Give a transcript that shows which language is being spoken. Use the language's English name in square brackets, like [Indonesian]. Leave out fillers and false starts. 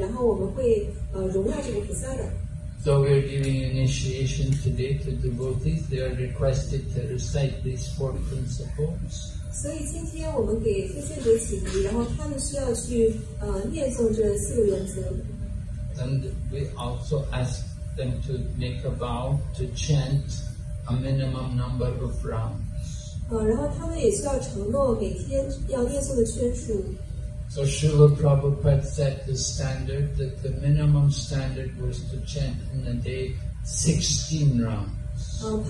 [Chinese] 这些食物在市场上可以轻而易举地买到，并且这是我们向Krishna供奉的食物，然后我们会荣耀这个菩萨的。 [English] So we are giving initiation today to devotees. They are requested to recite these four principles. [Chinese] 所以今天我们给奉献者请仪，然后他们需要去念诵这四个原则。 [English] And we also ask them to make a vow to chant a minimum number of rounds. [Chinese] 然后他们也需要承诺每天要念诵的圈数。 [English] So Srila Prabhupada set the standard that the minimum standard was to chant in a day 16 rounds.